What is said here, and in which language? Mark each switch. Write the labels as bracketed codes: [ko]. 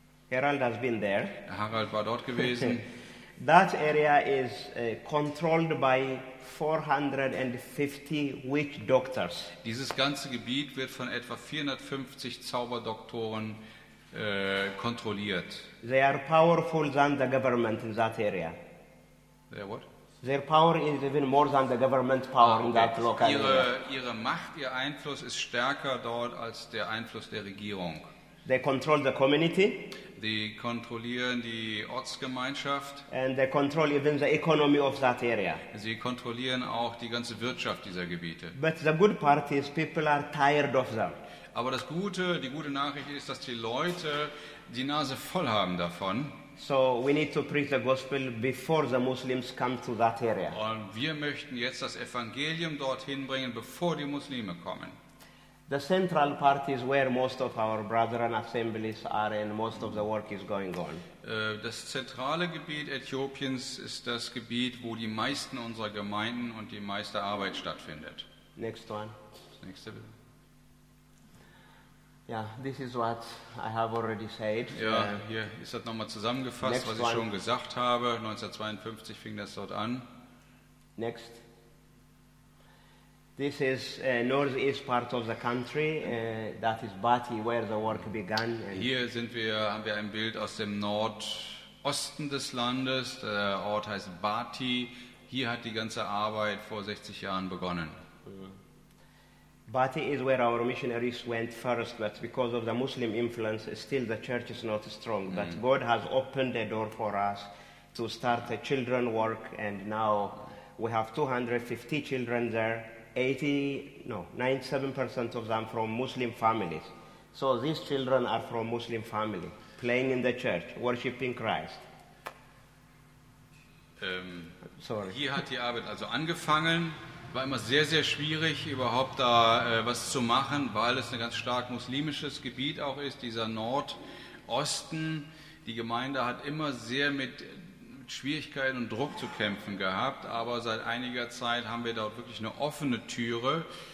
[en] Harald has been there. [de] Harald war dort gewesen. [en] That area is controlled by 450 witch doctors. [de] Dieses ganze Gebiet wird von etwa 450 Zauberdoktoren kontrolliert. [en] They are powerful than the government in that area. Their what? Their power is even more than the government power in that local area. [de] Ihre Macht, ihr Einfluss ist stärker dort als der Einfluss der Regierung. [en] They control the community. [de] Die kontrollieren die Ortsgemeinschaft. [en] And they control even the economy of that area. [de] Sie kontrollieren auch die ganze Wirtschaft dieser Gebiete. [en] But the good part is people are tired of them. [de] Aber das Gute, die gute Nachricht ist, dass die Leute die Nase voll haben davon. [en] So we need to preach the gospel before the Muslims come to that area. [de] Und wir möchten jetzt das Evangelium dorthin bringen, bevor die Muslime kommen. [en] The central part is where most of our brethren assemblies are and most of the work is going on. [de] Das zentrale Gebiet Äthiopiens ist das Gebiet, wo die meisten unserer Gemeinden und die meiste Arbeit stattfindet. [en] Next one. [de] Das nächste bitte. [en] Yeah, this is what I have already said. [de] Ja, hier ist das nochmal zusammengefasst, was ich schon gesagt habe. 1952 fing das dort an. [en] Next. This is northeast part of the country, that is Bati, where the work began. And [de] hier sind wir, haben wir ein Bild aus dem Nordosten des Landes, der Ort heißt Bati. Hier hat die ganze Arbeit vor 60 Jahren begonnen. [en] Bati is where our missionaries went first, but because of the Muslim influence, still the church is not strong. But God has opened a door for us to start a children work, and now we have 250 children there. 97% of them from Muslim families. So these children are from Muslim families, playing in the church, worshiping Christ. Sorry. [de] Hier hat die Arbeit also angefangen. War immer sehr, sehr schwierig, überhaupt da was zu machen, weil es ein ganz stark muslimisches Gebiet auch ist, dieser Nordosten. Die Gemeinde hat immer sehr mit Schwierigkeiten und Druck zu kämpfen gehabt, aber seit einiger Zeit haben wir dort wirklich eine offene Türe.